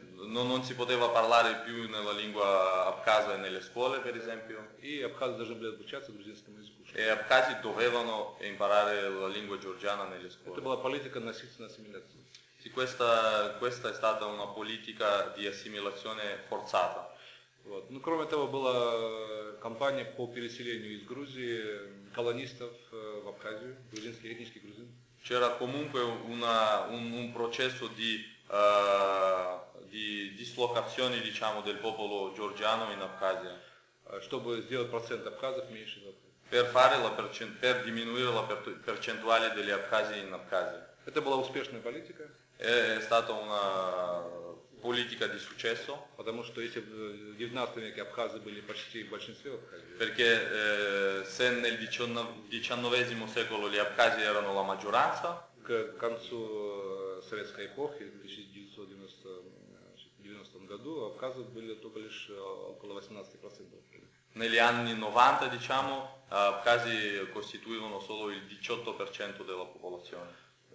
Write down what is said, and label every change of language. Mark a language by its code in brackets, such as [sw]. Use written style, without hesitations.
[it] Non si poteva parlare più nella lingua абхаза nelle scuole, per esempio. [ru] И абхазы должны были обучаться грузинскому языку. [it] E абхази dovevano imparare la lingua georgiana nelle scuole. [ru] Это была политика насильственной ассимиляции. [it] Sì, questa è stata una politica di assimilazione forzata. [ru] Вот. Ну, кроме того, была кампания по переселению из Грузии колонистов в Абхазию, грузинских, этнических грузин. [it] C'era comunque un processo di dislocazione, diciamo, del popolo georgiano in Abkhazia. [ru] Чтобы сделать процент абхазов меньше. [it] Per diminuire la percentuale degli abkhazi in Abkhazia. [ru] Это была успешная политика. [it] È stata una politica di successo. [ru] Потому что если в 19 веке абхазы были почти в большинстве в Абхазии. [it] Perché se nel XIX secolo gli abkhazi erano la maggioranza. [ru] К концу советской эпохи, в 1990 году, абхазы были только лишь около 18%. [it] Negli anni 90, diciamo, abkhazi costituivano solo il 18% della popolazione.